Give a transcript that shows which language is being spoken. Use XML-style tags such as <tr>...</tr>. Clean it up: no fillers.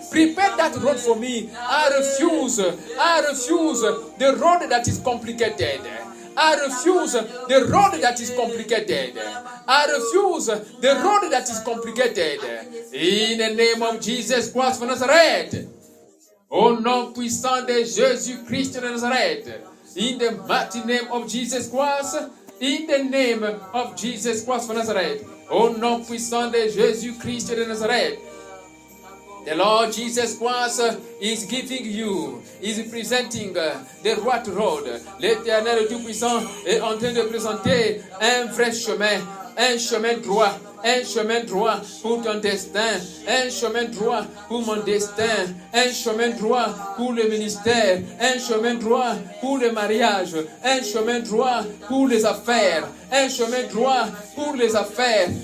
<en>Prepare that road for me. I refuse the road that is complicated. I refuse the road that is complicated. I refuse the road that is complicated. In the name of Jesus Christ of Nazareth.</en> <fr>Au nom puissant de Jésus Christ de Nazareth.</fr> <en>In the mighty name of Jesus Christ. In the name of Jesus Christ of Nazareth.</en> <fr>Au nom puissant de Jésus Christ de Nazareth.</fr> <en>The Lord Jesus Christ is giving you, is presenting the right road.</en> <fr>L'Éternel Dieu puissant est en train de présenter un vrai chemin, un chemin droit pour ton destin, un chemin droit pour mon destin, un chemin droit pour le ministère, un chemin droit pour le mariage, un chemin droit pour les affaires, un chemin droit pour les affaires.</fr>